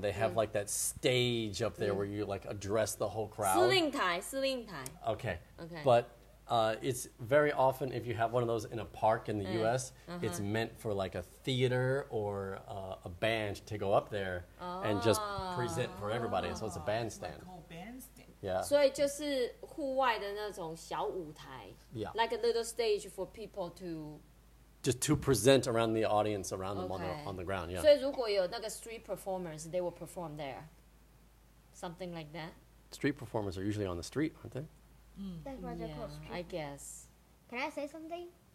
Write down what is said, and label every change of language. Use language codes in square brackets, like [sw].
[en] They have like that stage up there where you like address the whole crowd. [zh] 司令台. [en] Okay. But it's very often, if you have one of those in a park in the U.S., uh-huh. it's meant for like a theater or a band to go up there and just present for everybody. So it's a bandstand. Like a whole bandstand. Yeah. [zh] 所以就是户外的那种小舞台, [en] yeah. like a little stage for people to... Just to present around the audience, around them on the ground. Yeah. So if there are street performers, they will perform there. Something like that? Street performers are usually on the street, aren't they? That's why they're called street. I guess. Can I say something?